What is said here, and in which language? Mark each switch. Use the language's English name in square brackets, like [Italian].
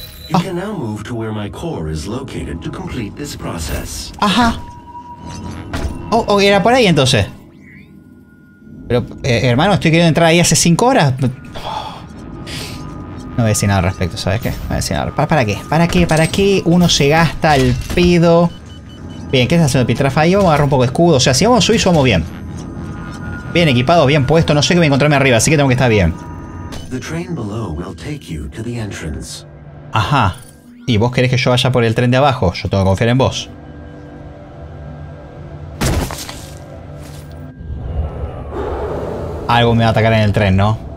[English] You can now move to where my core is located to complete this process. [Spanish] Ajá. Oh, era por ahí entonces. Pero, hermano, estoy queriendo entrar ahí hace 5 horas. No voy a decir nada al respecto, ¿sabes qué? No voy a decir nada. ¿Para qué? ¿Para qué? ¿Para qué uno se gasta el pedo? Bien, ¿qué está haciendo Pitrafa? Ahí vamos a agarrar un poco de escudo. O sea, si vamos a subir, subamos bien. Bien equipado, bien puesto. No sé qué voy a encontrarme arriba, así que tengo que estar bien. [English] The train below will take you to the entrance. [Spanish] Ajá. ¿Y vos querés que yo vaya por el tren de abajo? Yo tengo que confiar en vos. Algo me va a atacar en el tren, ¿no?